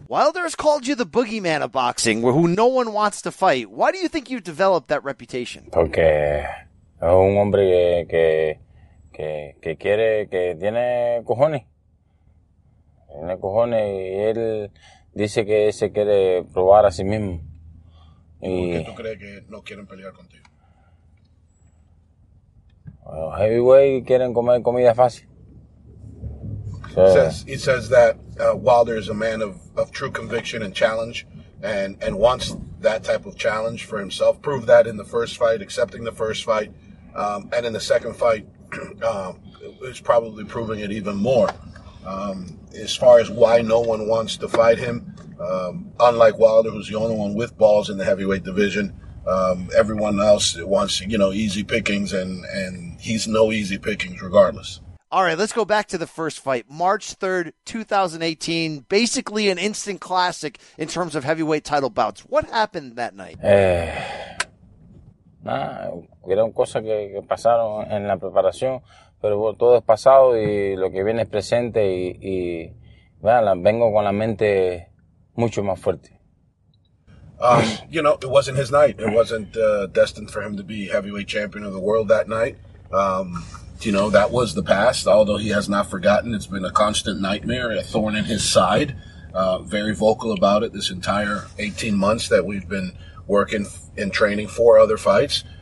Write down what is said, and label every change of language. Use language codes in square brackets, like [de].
[en] Wilder has called you the boogeyman of boxing, who no one wants to fight. Why do you think you've developed that reputation? [es] Porque es un hombre que quiere, que tiene cojones, y él dice que se quiere probar a sí mismo. ¿Y por qué tú crees que no quieren pelear contigo? Los heavyweight quieren comer comida fácil. [en] He says that Wilder is a man of true conviction and challenge, and wants that type of challenge for himself. Proved that in the first fight, accepting the first fight, and in the second fight, is probably proving it even more. As far as why no one wants to fight him, unlike Wilder, who's the only one with balls in the heavyweight division, everyone else wants, easy pickings, and he's no easy pickings regardless. All right, let's go back to the first fight. March 3rd, 2018, basically an instant classic in terms of heavyweight title bouts. What happened that night? [es] nada, hubieron cosas que pasaron en la preparación, pero bueno, todo es pasado y lo que viene es presente y bueno, vengo con la mente mucho más fuerte. [en] You know, it wasn't his night. It wasn't destined for him to be heavyweight champion of the world that night. You know, that was the past, although he has not forgotten. It's been a constant nightmare, a thorn in his side. Very vocal about it this entire 18 months that we've been working and training for other fights.